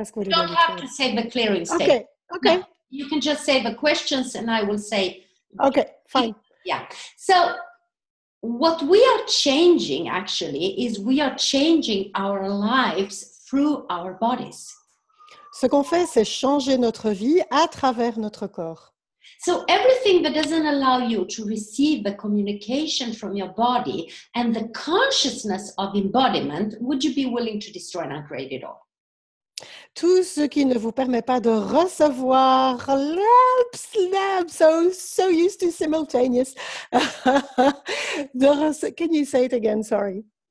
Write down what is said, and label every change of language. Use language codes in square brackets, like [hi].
[en] So you don't have to say the clearing statement. Okay. No, you can just say the questions and I will say. Okay, fine. Yeah. So what we are changing actually is we are changing our lives through our bodies. [fr] Ce qu'on fait, c'est changer notre vie à travers notre corps. [en] So everything that doesn't allow you to receive the communication from your body and the consciousness of embodiment, would you be willing to destroy and uncreate it all? [fr] Tout ce qui ne vous permet pas de recevoir, [en] can you say it again, sorry?